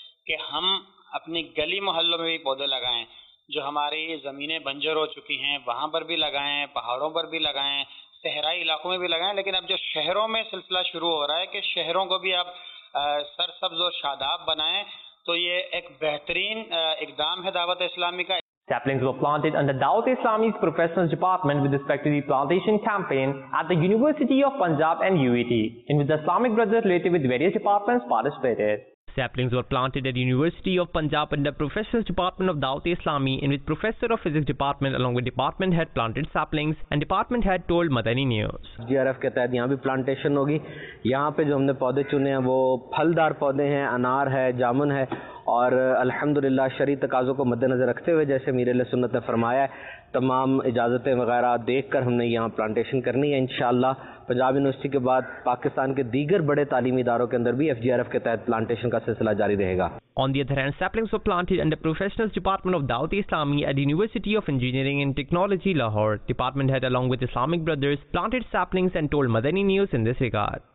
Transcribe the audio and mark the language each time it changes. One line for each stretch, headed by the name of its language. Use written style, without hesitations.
Urdu: کہ ہم اپنی گلی محلوں میں بھی پودے لگائیں، جو ہماری زمینیں بنجر ہو چکی ہیں وہاں پر بھی لگائیں، پہاڑوں پر بھی لگائیں، صحرائی علاقوں میں بھی لگائیں، لیکن اب جو شہروں میں سلسلہ شروع ہو رہا ہے کہ شہروں کو بھی آپ سرسبز اور شاداب بنائیں، تو یہ ایک بہترین اقدام ہے دعوت اسلامی کا۔
English: Saplings were planted under Dawat Islami's professional department with respect to the plantation campaign at the University of Punjab and UET, in which the Islamic Brothers related with various departments participated. Saplings were planted at the University of Punjab under professional department of Dawat Islami, in which professor of physics department along with department head planted saplings and department head told Madani News.
Urdu: GRF کہتا ہے یہاں بھی plantation ہوگی، یہاں پہ جو ہم نے پودے چنے ہیں وہ پھلدار پودے ہیں، انار ہے، جامن ہے، اور الحمدللہ شرعی تقاضوں کو مد نظر رکھتے ہوئے جیسے میرے علیہ سنت نے فرمایا ہے تمام اجازتیں وغیرہ دیکھ کر ہم نے یہاں پلانٹیشن کرنی ہے انشاءاللہ۔ پنجاب یونیورسٹی کے بعد پاکستان کے دیگر بڑے تعلیمی اداروں کے اندر بھی ایف جی آر ایف کے تحت پلانٹیشن کا سلسلہ جاری رہے گا۔
English: On the other hand, saplings were planted under professional department of Dawat Islami at the University of Engineering and Technology Lahore. Department head along with Islamic Brothers planted saplings and told Madani News in this regard.